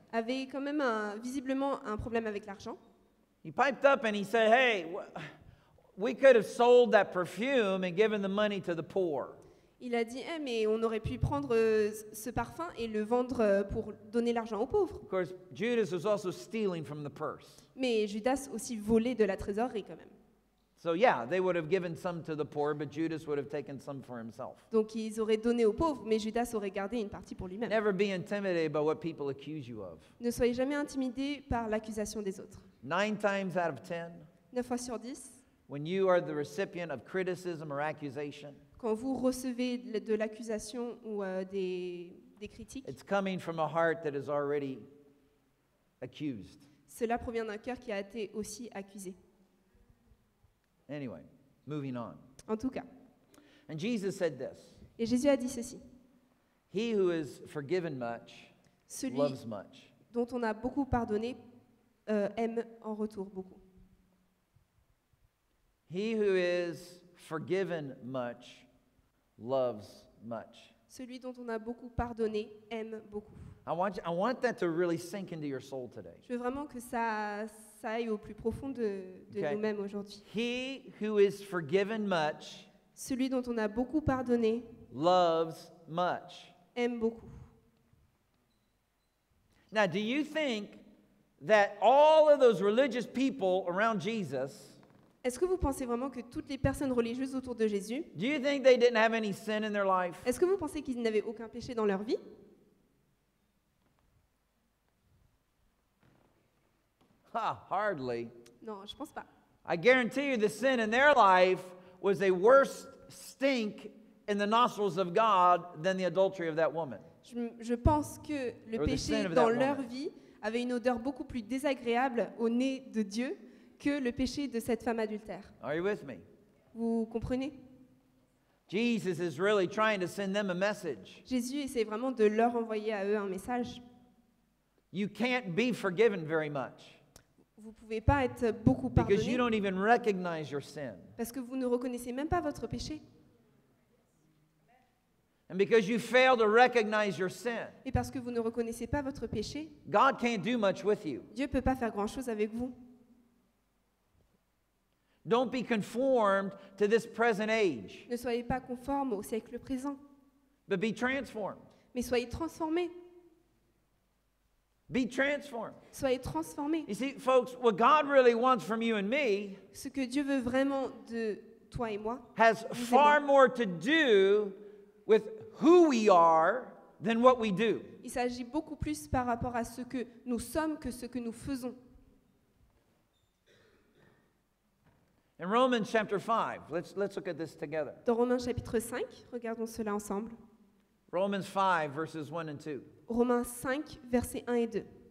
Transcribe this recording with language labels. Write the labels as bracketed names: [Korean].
[French] Avait quand même visiblement un problème avec l'argent. [English] He piped up and he said, "Hey, we could have sold that perfume and given the money to the poor." [French] Il a dit, mais on aurait pu prendre ce parfum et le vendre pour donner l'argent aux pauvres. [English] Of course, Judas was also stealing from the purse. [French] Mais Judas aussi volait de la trésorerie quand même. [English] So yeah, they would have given some to the poor, but Judas would have taken some for himself. [French] Donc ils auraient donné aux pauvres, mais Judas aurait gardé une partie pour lui-même. [English] Never be intimidated by what people accuse you of. [French] Ne soyez jamais intimidé par l'accusation des autres. [English] 9 times out of 10. [French] 9 fois sur 10. [English] When you are the recipient of criticism or accusation, [French] quand vous recevez de l'accusation ou des critiques, [English] it's coming from a heart that is already accused. [French] Cela provient d'un cœur qui a été aussi accusé. [English] Anyway, moving on. [French] En tout cas. [English] And Jesus said this. [French] Et Jésus a dit ceci. [English] He who is forgiven much [French] celui [English] loves much. [French] Dont on a beaucoup pardonné aime en retour beaucoup. [English] He who is forgiven much loves much. [French] Celui dont on a beaucoup pardonné aime beaucoup. [English] I want that to really sink into your soul today. [French] Je veux vraiment que ça aille au plus profond de okay. nous-mêmes aujourd'hui. [English] He who is forgiven much [French] celui dont on a beaucoup pardonné [English] loves much. [French] Aime beaucoup. [English] Now, do you think that all of those religious people around Jesus [French] est-ce que vous pensez vraiment que toutes les personnes religieuses autour de Jésus [English] do you think they didn't have any sin in their life? [French] Est-ce que vous pensez qu'ils n'avaient aucun péché dans leur vie? [English] Hardly. [French] Non, je pense pas. [English] I guarantee you the sin in their life was a worse stink in the nostrils of God than the adultery of that woman. [French] Je pense que le péché dans leur vie avait une odeur beaucoup plus désagréable au nez de Dieu que le péché de cette femme adultère. [English] Are you with me? [French] Vous comprenez? [English] Jesus is really trying to send them a message. [French] Jésus essaie vraiment de leur envoyer à eux un message. [English] You can't be forgiven very much. [French] Vous ne pouvez pas être beaucoup pardonné. [English] Because you don't even recognize your sin. [French] Parce que vous ne reconnaissez même pas votre péché. [English] And because you fail to recognize your sin. [French] Et parce que vous ne reconnaissez pas votre péché. [English] God can't do much with you. [French] Dieu peut pas faire grand-chose avec vous. [English] Don't be conformed to this present age. [French] Ne soyez pas conforme au siècle présent. [English] But be transformed. [French] Mais soyez transformés. [English] Be transformed. [French] Soyez transformés. [English] You see, folks, what God really wants from you and me [French] ce que Dieu veut vraiment de toi et moi [English] has far more to do with who we are than what we do. [French] Il s'agit beaucoup plus par rapport à ce que nous sommes que ce que nous faisons. [English] In Romans chapter 5, let's look at this together. [French] Dans Romains chapitre 5, regardons cela ensemble. [English] Romans 5, verses 1 and 2. [French] Romains 5, versets 1 et 2.